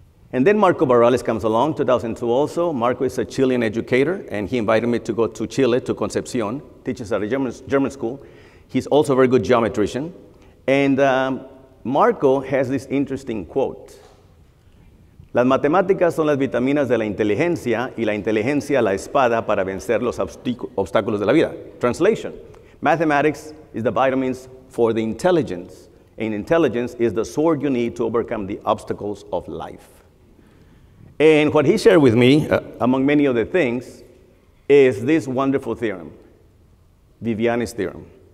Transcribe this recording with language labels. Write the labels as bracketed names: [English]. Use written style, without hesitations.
[English] And then Marco Barrales comes along, 2002 also. Marco is a Chilean educator, and he invited me to go to Chile, to Concepcion, teaches at a German school. He's also a very good geometrician. And Marco has this interesting quote. [Spanish] Las matemáticas son las vitaminas de la inteligencia y la inteligencia la espada para vencer los obstáculos de la vida. [English] Translation: mathematics is the vitamins for the intelligence, and intelligence is the sword you need to overcome the obstacles of life. And what he shared with me, among many other things, is this wonderful theorem, Viviani's theorem.